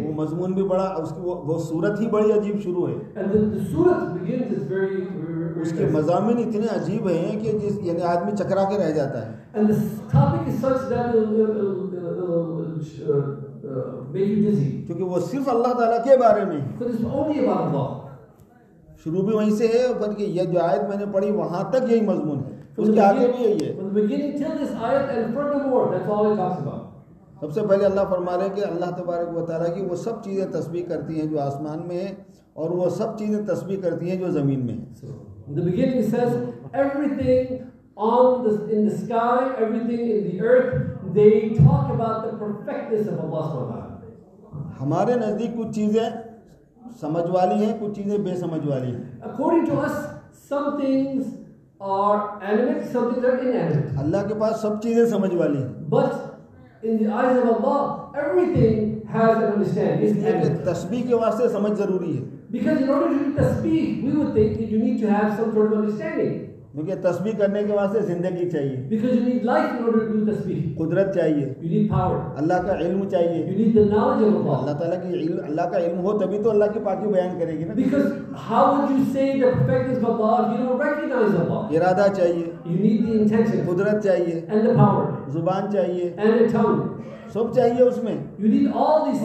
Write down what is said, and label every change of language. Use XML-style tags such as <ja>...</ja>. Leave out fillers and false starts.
<ur>وہ مضمون بھی بڑا, اس کی وہ صورت ہی بڑی عجیب شروع ہے.</ur> <en>And the surah begins is very, very,</en> <ur>اس کے مضامین اتنے عجیب ہیں کہ جس یعنی آدمی چکرا کے رہ جاتا ہے.</ur> <en>And the topic is such that make you dizzy.</en> <ur>کیونکہ وہ صرف اللہ تعالیٰ کے بارے میں ہے.</ur> <en>So it's only about Allah.</en> <ur>شروع بھی وہیں سے ہے, بلکہ یہ جو آیت میں نے پڑھی وہاں تک یہی مضمون ہے, اس کے آگے بھی یہی ہے. سب سے پہلے اللہ فرما رہے ہیں کہ اللہ تبارک و تعالیٰ کی وہ سب چیزیں تسبیح کرتی ہیں جو آسمان میں ہیں, اور وہ سب چیزیں تسبیح کرتی ہیں جو زمین میں ہیں.</ur> <en>The beginning says everything on the in the sky, everything in the earth, they talk about the perfectness of Allah سبحانہ.</en> <ur>ہمارے نزدیک کچھ چیزیں سمجھ والی ہیں, کچھ چیزیں بے سمجھ والی ہیں.</ur> <en>According to us, some things are animate, some things are inanimate.</en> <ur>اللہ کے پاس سب چیزیں سمجھ والی ہیں.</ur> <en>But in the eyes of Allah, everything has an understanding.</en> <ur>اس لیے کہ تسبیح کے واسطے سمجھ ضروری ہے.</ur> <en>Because in order to do tasbih, we would think that you need to have some sort of understanding.</en> <ur>کیونکہ تسبیح کرنے کے واسطے زندگی چاہیے.</ur> <en>Because you need life in order to do tasbih.</en> <ur>قدرت چاہیے.</ur> <en>You need power.</en> <ur>اللہ کا علم چاہیے.</ur> <en>You need the knowledge of Allah.</en> <ur>اللہ تعالیٰ کی علم, اللہ کا علم ہو تبھی تو اللہ کی پاکی بیان کرے گی نا.</ur> <en>Because how would you say the perfectness of Allah if you don't recognize Allah?</en> <ur>ارادہ چاہیے.</ur> <en>You need the intention.</en> <ur>قدرت چاہیے.</ur> <en>And the power.</en> <ur>زبان چاہیے.</ur> <en>And the tongue.</en> <ur>سب چاہیے اس میں.</ur> <en>You need all these things.</en>